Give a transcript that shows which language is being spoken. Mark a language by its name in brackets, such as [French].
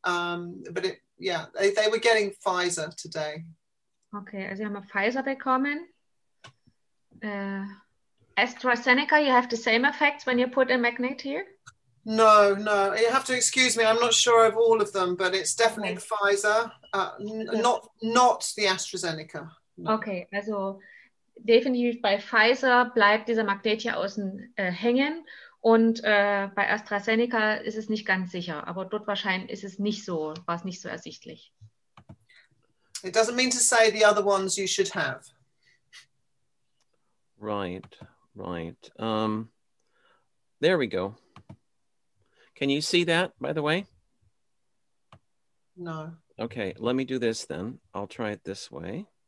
[English] But it, yeah, they were getting Pfizer today. [German] Okay, also haben wir Pfizer bekommen. [English] AstraZeneca, you have the same effects when you put a magnet here. No, you have to excuse me. I'm not sure of all of them, but it's definitely okay. Pfizer, not the AstraZeneca. No. [German] Okay, also definitiv bei Pfizer bleibt dieser Magnet hier außen hängen und bei AstraZeneca ist es nicht ganz sicher, aber dort wahrscheinlich ist es nicht so, war es nicht so ersichtlich. [English] It doesn't mean to say the other ones you should have. Right. There we go. Can you see that, by the way? No. Okay, let me do this then. I'll try it this way.